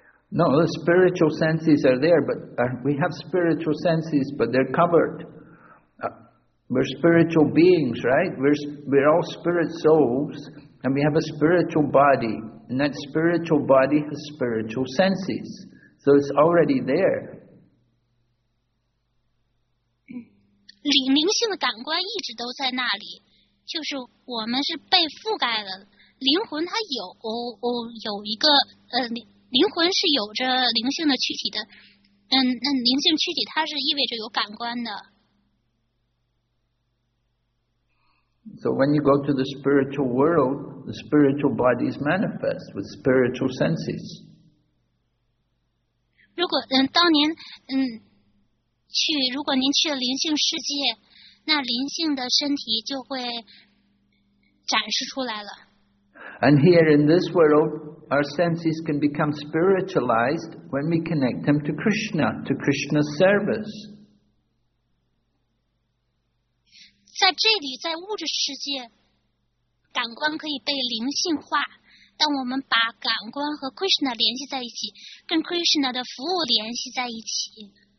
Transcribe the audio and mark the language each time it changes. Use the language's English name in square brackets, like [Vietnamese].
[English] No, the spiritual senses are there, but we have spiritual senses, but they're covered. We're spiritual beings, right? We're all spirit souls, and we have a spiritual body, and that spiritual body has spiritual senses. So it's already there. [Chinese] 灵性的感官一直都在那里，就是我们是被覆盖的。灵魂它有一个灵魂是有着灵性的躯体的。那灵性躯体它是意味着有感官的。 [English] So when you go to the spiritual world, the spiritual body is manifest with spiritual senses. [Chinese] 如果当年去，如果您去了灵性世界，那灵性的身体就会展示出来了。 [English] And here in this world, our senses can become spiritualized when we connect them to Krishna, to Krishna's service. [Chinese] 在这里，在物质世界，感官可以被灵性化。但我们把感官和 Krishna 联系在一起，跟 Krishna 的服务联系在一起。